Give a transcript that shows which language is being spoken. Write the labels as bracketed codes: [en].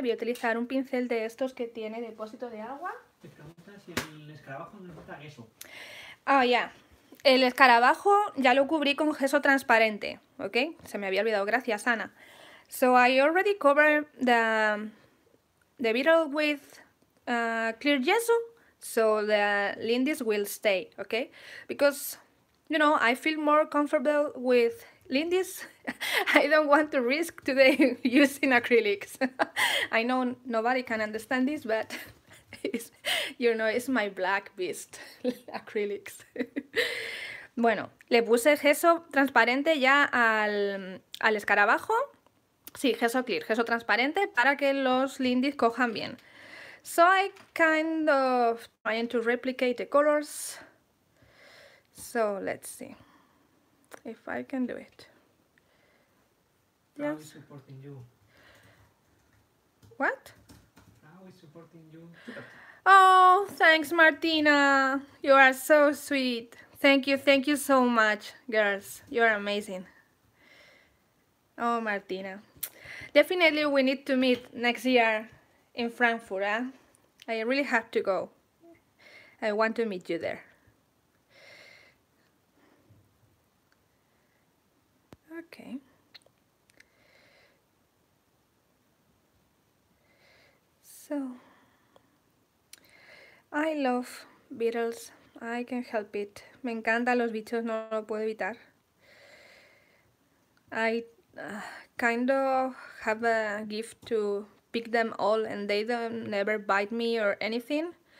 [es] Voy a utilizar un pincel de estos que tiene depósito de agua. Te preguntas si el escarabajo no necesita gesso. [en] Oh, yeah. [es] El escarabajo ya lo cubrí con gesso transparente, ¿ok? Se me había olvidado, gracias Ana. [en] So I already covered the beetle with clear gesso, so the lindies will stay, ¿ok? Because, you know, I feel more comfortable with lindies. I don't want to risk today using acrylics. I know nobody can understand this, but it's, you know, it's my black beast, acrylics. [es] Bueno, le puse gesso transparente ya al escarabajo. Sí, gesso clear, gesso transparente, para que los lindies cojan bien. [en] So I kind of trying to replicate the colors. So let's see if I can do it. Yes. How is supporting you? What? How is supporting you? Oh, thanks, Martina. You are so sweet. Thank you so much, girls. You are amazing. Oh, Martina. Definitely we need to meet next year in Frankfurt, eh? I really have to go. I want to meet you there. Okay. So, I love beetles. I can't help it. [es] Me encantan los bichos, no lo puedo evitar. [en] I kind of have a gift to pick them all and they don't never bite me or anything.